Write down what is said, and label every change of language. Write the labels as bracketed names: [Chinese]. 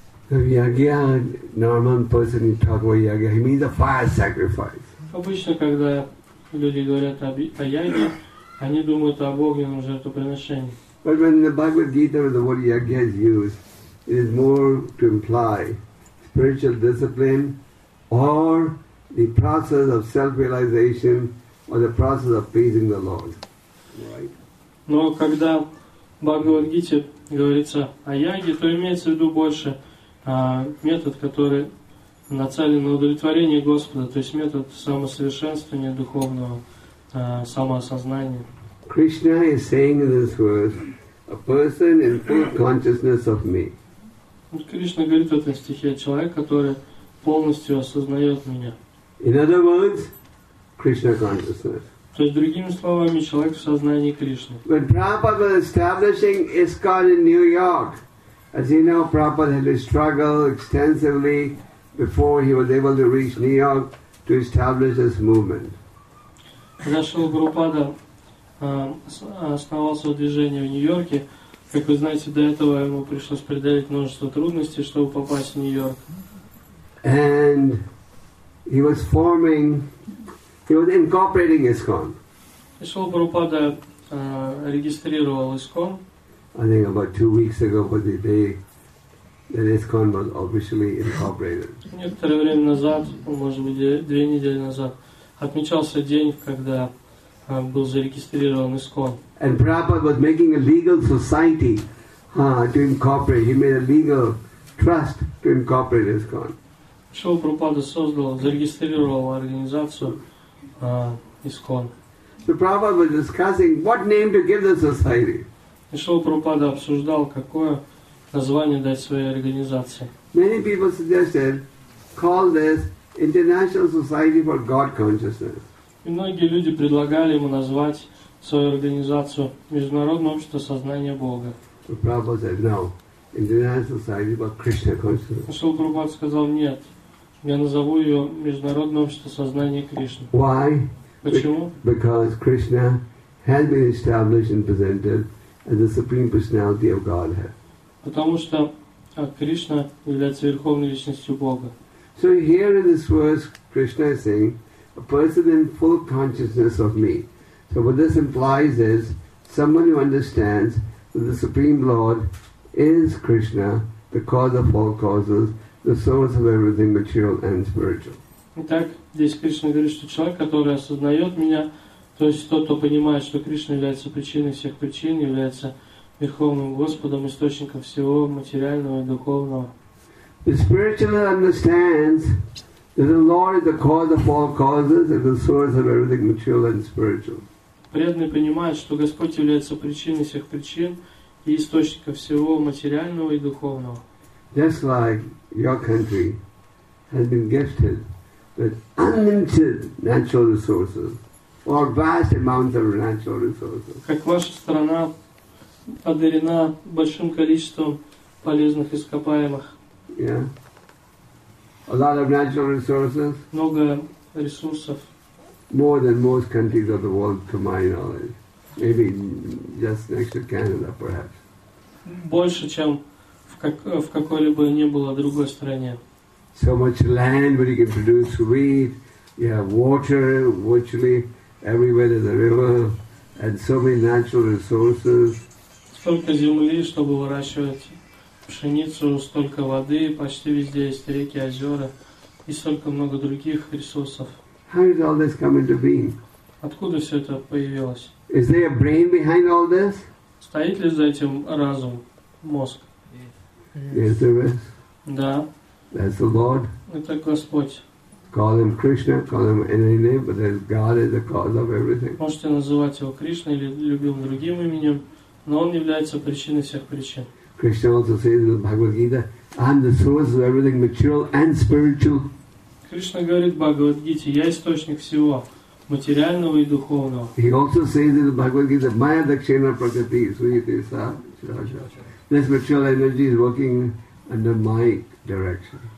[English] The yagya, normal person you talk about yagya, he means a fire sacrifice. [Russian] Обычно, когда люди говорят о яге, они думают об огненном жертвоприношении. [English] But when the Bhagavad Gita, the word yagya is used, it is more to imply spiritual discipline or the process of self-realization or the process of pleasing the Lord. [Russian] Но когда в Бхагавад-гите говорится о яге, то имеется в виду больше метод, который нацелен на удовлетворение Господа, то есть метод самосовершенствования духовного самоосознания. [English] Krishna is saying in this verse, a person in full consciousness of me. [Russian] Кришна говорит в этом стихе, человек, который полностью осознает меня. [English] In other words, Krishna consciousness. [Russian] То есть, другими словами, человек в сознании Кришны. [English] When Prabhupada was establishing ISKCON in New York, as you know, Prabhupada had to struggle extensively before he was able to reach New York to establish this movement. [Russian] зашел Гурупада, основался в движении в Нью-Йорке. Как вы знаете, до этого ему пришлось преодолеть множество трудностей, чтобы попасть в Нью-Йорк. [English] And he was forming, he was incorporating ISKCON. [Russian] И Шрила Прабхупада регистрировал ISKCON. [English] I think about 2 weeks ago was the day that ISKCON was officially incorporated. [Russian] Некоторое время назад, может быть, 2 недели назад, отмечался день, когда был зарегистрирован ISKCON. [English] And Prabhupada was making a legal society to incorporate. He made a legal trust to incorporate ISKCON. [Russian] Шрила Прабхупада создал, зарегистрировал организацию ISKCON. [English] So Prabhupada was discussing what name to give the society. [Russian] Шрила Прабхупада обсуждал, какое название дать своей организации. [English] Many people suggested call this International Society for God Consciousness. [Russian] И многие люди предлагали ему назвать свою организацию Международное общество сознания Бога. [English] So Prabhupada said no. International Society for Krishna Consciousness. [Russian] Шрила Прабхупада сказал нет. Я назову ее Международное общество сознания Кришны. [English] Why? [Russian] Почему? [English] Because Krishna has been established and presented as the supreme personality of Godhead. [Russian] Потому что Кришна является верховной личностью Бога. [English] So here in this verse, Krishna is saying, a person in full consciousness of me. So what this implies is someone who understands that the supreme Lord is Krishna, the cause of all causes. The source of everything material and spiritual. [Russian] Итак, здесь Кришна говорит, что человек, который осознает меня, то есть тот, кто понимает, что Кришна является причиной всех причин, является верховным Господом, источником всего материального и духовного. [English] The spiritual understands that the Lord is the cause of all causes and the source of everything material and spiritual. [Russian] Преданный понимает, что Господь является причиной всех причин и источником всего материального и духовного. [English] Just like your country has been gifted with unlimited natural resources or vast amounts of natural resources. [Russian] Как ваша страна одарена большим количеством полезных ископаемых. [English] Yeah. A lot of natural resources. [Russian] Много ресурсов. [English] More than most countries of the world, to my knowledge. Maybe just next to Canada, perhaps. [Russian] Больше, чем в какой-либо не было другой стране. [English] So much land where you can produce wheat, you have water virtually everywhere there's a river, and so many natural resources. [Russian] Столько земли, чтобы выращивать пшеницу, столько воды, почти везде есть реки, озера, и столько много других ресурсов. [English] How did all this come into being? [Russian] Откуда все это появилось? [English] Is there a brain behind all this? [Russian] Стоит ли за этим разум, мозг? [English] Yes, there is. [Russian] Да. [English] That's the Lord. [Russian] Это Господь. [English] Call him Krishna, call him any name, but then God is the cause of everything. [Russian] Можете называть его Кришна или любым другим именем, но он является причиной всех причин. [English] Krishna also says in the Bhagavad Gita, I'm the source of everything material and spiritual. [Russian] Кришна говорит в Бхагавад Гите, я источник всего материального и духовного. [English] He also says in the Bhagavad Gita, [Sanskrit] Maya Dakshina Prakriti, Suyate Sa, Shasha. [English] This material energy is working under my direction.